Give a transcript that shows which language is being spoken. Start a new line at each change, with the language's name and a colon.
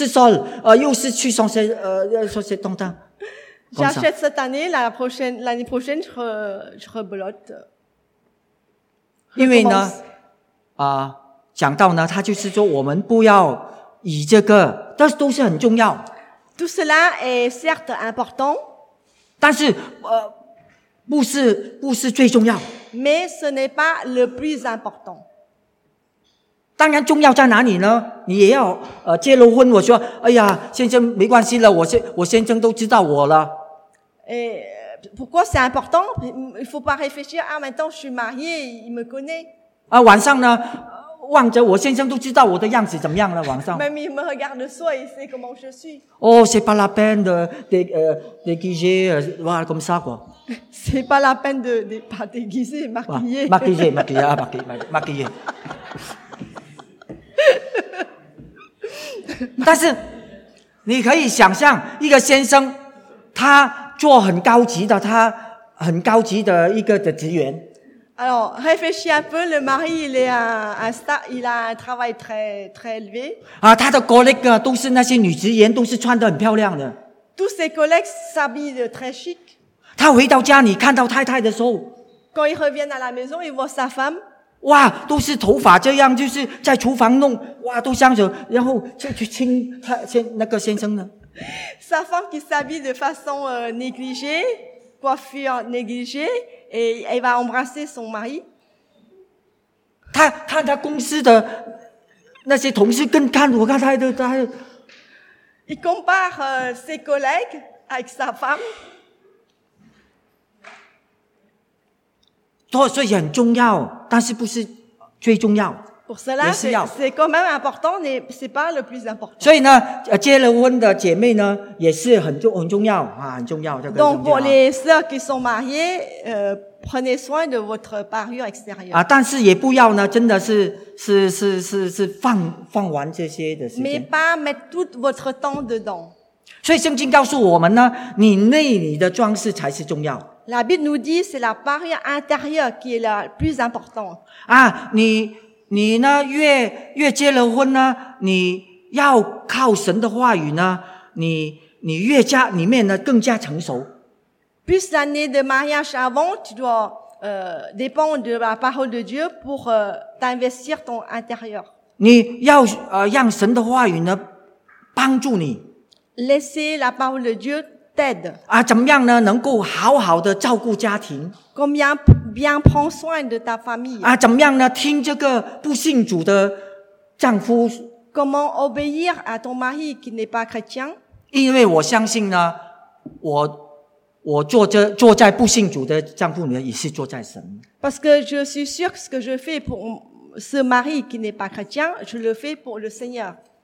Chinese: 哦,买了,很高兴买了,回来,哎,明年又是算,又是去送些东西。
French: J'achète cette année, l'année prochaine, je rebelote.
Chinese: 因为呢,讲到呢,他就是说我们不要以这个, 都是很重要。
French: Tout cela est certes important.
Chinese: 但是, 不是最重要。
French: Mais ce n'est pas le plus important.
Chinese: 当然重要在哪里呢? 你也要, 结了婚, 我说, 哎呀, 先生, 没关系了, 我先生都知道我了。
French: Et pourquoi c'est important? Il faut pas réfléchir. Ah, maintenant, je suis mariée, il me connaît.
Chinese: 啊，晚上呢，望着我先生都知道我的样子怎么样了。晚上。
French: Ma mère me regarde le soir et sait comment je suis. Oh, c'est pas la peine de déguiser, voilà comme ça quoi. C'est pas la peine de pas déguiser, maquiller. Maquiller.
Chinese: 但是你可以想象一个先生，他做很高级的，他很高级的一个的职员。
French: Alors, réfléchis un peu, le mari, il est un star, il a un travail très élevé.
Chinese: 啊，他的 collègue 都是那些女职员，都是穿得很漂亮的。
French: Tous ses collègues s'habillent très chic.
Chinese: 他回到家，你看到太太的时候。
French: Quand il revient à la maison, il voit sa femme.
Chinese: 哇，都是头发这样，就是在厨房弄，哇，都像着，然后去亲他先那个先生呢。
French: Sa femme qui s'habille de façon négligée, coiffure négligée. Et elle va embrasser son mari.
Chinese: 他公司的那些同事跟看我看他的他。
French: Il compare ses collègues avec sa femme.
Chinese: 所以很重要，但是不是最重要。
French: Pour cela, c'est quand même important, mais c'est pas le plus important.
Chinese: 所以呢，结了婚的姐妹呢，也是很重要啊，很重要。
French: Donc pour les sœurs qui sont mariées, prenez soin de votre parure extérieure.
Chinese: 啊，但是也不要呢，真的是放完这些的时间。
French: Mais pas mettre tout votre temps dedans.
Chinese: 所以圣经告诉我们呢，你内里的装饰才是重要。
French: La Bible nous dit c'est la parure intérieure qui est la plus importante.
Chinese: 啊，你呢？越结了婚呢，你要靠神的话语呢，你越加里面呢更加成熟。
French: Plus l'année de mariage avance, tu dois dépendre de la parole de Dieu pour t'investir ton intérieur.
Chinese: 你要让神的话语呢帮助你。
French: Laisser la parole de Dieu t'aide.
Chinese: 啊，怎么样呢？能够好好的照顾家庭。
French: Combien bien prendre soin de ta famille.
Chinese: 啊，怎么样呢？听这个不信主的丈夫。
French: Comment obéir à ton mari qui n'est pas chrétien?
Chinese: 因为我相信呢，我坐在不信主的丈夫里面，也是坐在神。
French: Parce que je suis sûr que ce que je fais pour ce mari qui n'est pas chrétien, je le fais pour le Seigneur.